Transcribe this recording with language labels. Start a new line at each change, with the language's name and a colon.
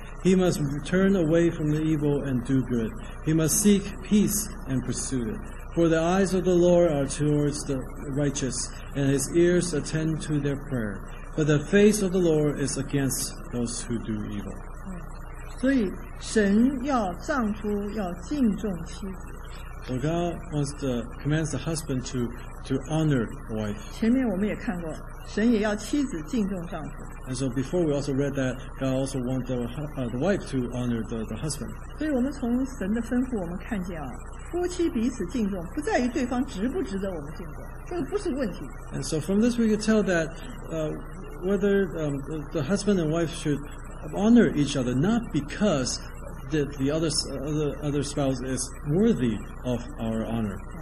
English: He must turn away from the evil and do good. He must seek peace and pursue it. For the eyes of the Lord are towards the righteous, and his ears attend to their prayer. But the face of the Lord is against those who do evil.
Chinese: 所以神要丈夫要敬重妻子。
English: So God wants to command the husband to honor the wife.
Chinese: 前面我们也看过，神也要妻子敬重丈夫。
English: And so before we also read that, God also wants the wife to honor the husband.
Chinese: 所以我们从神的吩咐我们看见啊，夫妻彼此敬重，不在于对方值不值得我们敬重，这个不是问题。
English: And so from this we can tell that whether the husband and wife should honor each other, not because that the other spouse is worthy of our honor.